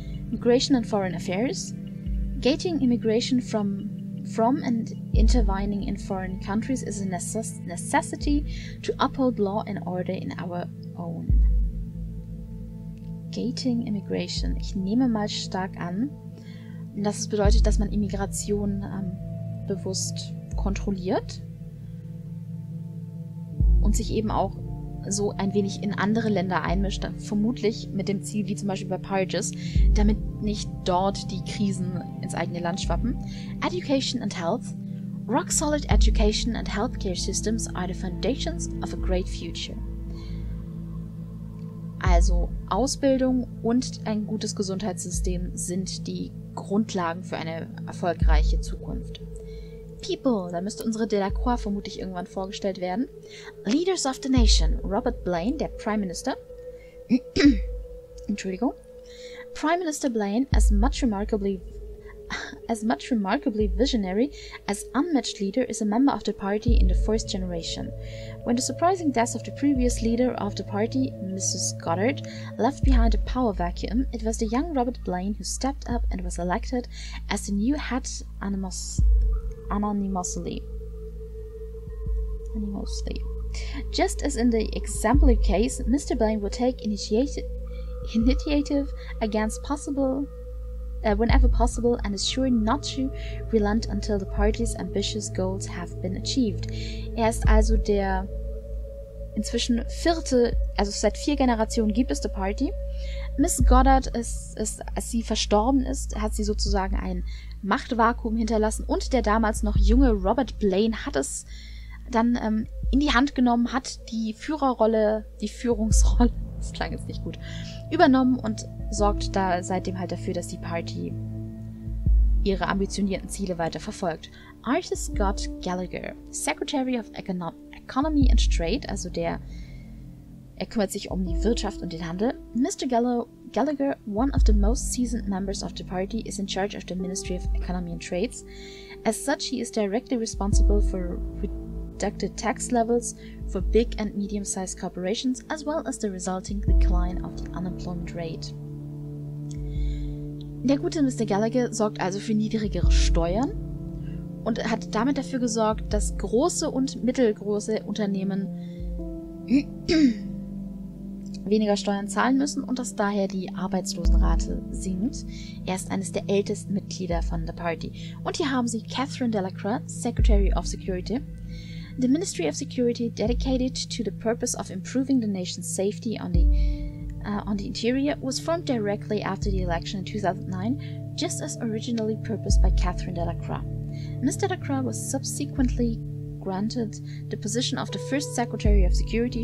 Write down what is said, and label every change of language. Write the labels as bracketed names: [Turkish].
[English] Migration and foreign affairs. Gating immigration from and intervening in foreign countries is a necessity to uphold law and order in our own. Gating immigration. [German] Ich nehme mal stark an, dass es bedeutet, dass man Immigration bewusst kontrolliert und sich eben auch so ein wenig in andere Länder einmischt, vermutlich mit dem Ziel, wie zum Beispiel bei Pirates, damit nicht dort die Krisen ins eigene Land schwappen. [English] Education and health. Rock solid education and healthcare systems are the foundations of a great future. [German] Also Ausbildung und ein gutes Gesundheitssystem sind die Grundlagen für eine erfolgreiche Zukunft. People, da müsste unsere Delacroix vermutlich irgendwann vorgestellt werden. [English] Leaders of the Nation, Robert Blaine, der Prime Minister. Entschuldigung. Prime Minister Blaine, as much remarkably visionary as unmatched leader, is a member of the party in the first generation. When the surprising death of the previous leader of the party, Mrs. Goddard, left behind a power vacuum, it was the young Robert Blaine who stepped up and was elected as the new head anonymously. Just as in the exemplary case, Mr. Blaine would take initiative against whenever possible and is sure not to relent until the party's ambitious goals have been achieved. [German] Er ist also der inzwischen vierte, also seit vier Generationen gibt es die Party. Miss Goddard ist, als sie verstorben ist, hat sie sozusagen ein Machtvakuum hinterlassen und der damals noch junge Robert Blaine hat es dann in die Hand genommen, hat die Führungsrolle, das klang jetzt nicht gut, übernommen und sorgt da seitdem halt dafür, dass die Party ihre ambitionierten Ziele weiter verfolgt. Arthur Scott Gallagher, [English] Secretary of Economy and Trade, [German] also er kümmert sich um die Wirtschaft und den Handel. Mr. [English] Gallagher, one of the most seasoned members of the party, is in charge of the Ministry of Economy and Trades. As such, he is directly responsible for reduced tax levels for big and medium-sized corporations, as well as the resulting decline of the unemployment rate. [German] Der gute Mr. Gallagher sorgt also für niedrigere Steuern und hat damit dafür gesorgt, dass große und mittelgroße Unternehmen weniger Steuern zahlen müssen und dass daher die Arbeitslosenrate sinkt. Er ist eines der ältesten Mitglieder von der Party. Und hier haben Sie Catherine Delacroix, [English] Secretary of Security. The Ministry of Security dedicated to the purpose of improving the nation's safety on the interior was formed directly after the election in 2009, just as originally purposed by Catherine Delacroix. Ms. Delacroix was subsequently granted the position of the first Secretary of Security.